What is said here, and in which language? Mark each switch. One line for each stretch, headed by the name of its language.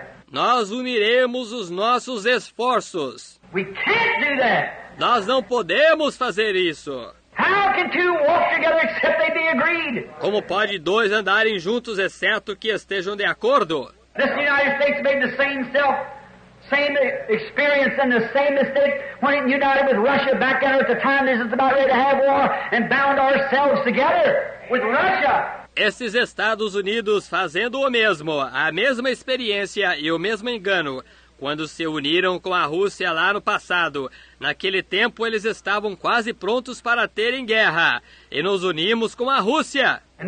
Portuguese: Nós uniremos os nossos esforços.
English: We can't do that.
Portuguese: Nós não podemos fazer isso.
English: How can two walk together except they be agreed?
Portuguese: Como pode dois andarem juntos exceto que estejam de acordo?
English: This United States made the same self, same experience and the same mistake when it united with Russia back then at the time this is about ready to have war and bound ourselves together with Russia.
Portuguese: Esses Estados Unidos fazendo o mesmo, a mesma experiência e o mesmo engano, quando se uniram com a Rússia lá no passado. Naquele tempo eles estavam quase prontos para terem guerra, e nos unimos com a Rússia.